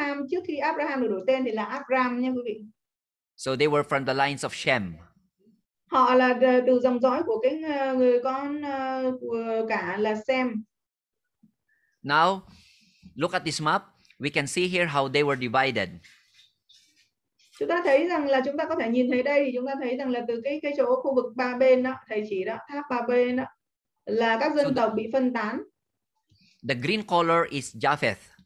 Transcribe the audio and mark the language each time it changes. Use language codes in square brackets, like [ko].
[vi] Trước khi Abraham được đổi tên thì là Abram nha quý vị. [en] So they were from the lines of Shem. [vi] Họ là từ dòng dõi của cái người con của cả là Shem. [en] Now, look at this map. We can see here how they were divided. [vi] Chúng ta thấy rằng là chúng ta có thể nhìn thấy đây thì chúng ta thấy rằng là từ cái chỗ khu vực ba bên đó, thầy chỉ đó, tháp ba bên đó là các dân tộc bị phân tán. [en] The green color is Japheth.